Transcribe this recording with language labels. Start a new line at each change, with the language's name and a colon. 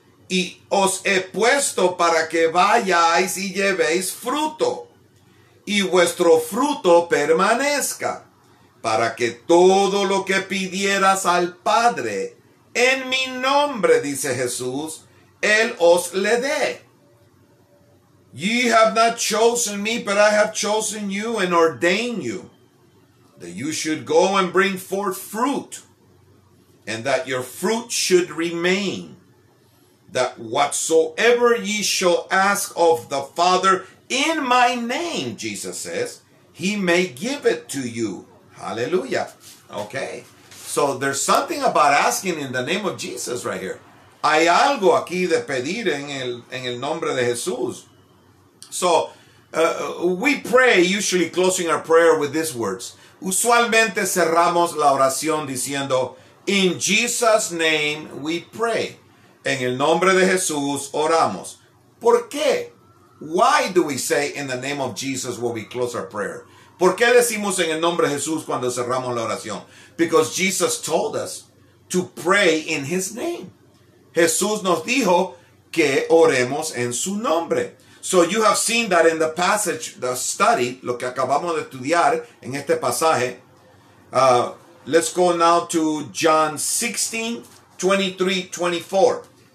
Spanish: y os he puesto para que vayáis y llevéis fruto, y vuestro fruto permanezca, para que todo lo que pidieras al Padre en mi nombre, dice Jesús, Él os le dé.
English: Ye have not chosen me, but I have chosen you and ordained you, that you should go and bring forth fruit, and that your fruit should remain, that whatsoever ye shall ask of the Father in my name, Jesus says, he may give it to you. Hallelujah. Okay. So there's something about asking in the name of Jesus right here.
Spanish: Hay algo aquí de pedir en el nombre de Jesús.
English: So we pray, usually closing our prayer with these words.
Spanish: Usualmente cerramos la oración diciendo,
English: in Jesus' name we pray.
Spanish: En el nombre de Jesús oramos. ¿Por qué?
English: Why do we say in the name of Jesus when we close our prayer?
Spanish: ¿Por qué decimos en el nombre de Jesús cuando cerramos la oración?
English: Because Jesus told us to pray in his name.
Spanish: Jesús nos dijo que oremos en su nombre.
English: So you have seen that in the passage, the study,
Spanish: lo que acabamos de estudiar en este pasaje.
English: Let's go now to John 16, 23, 24.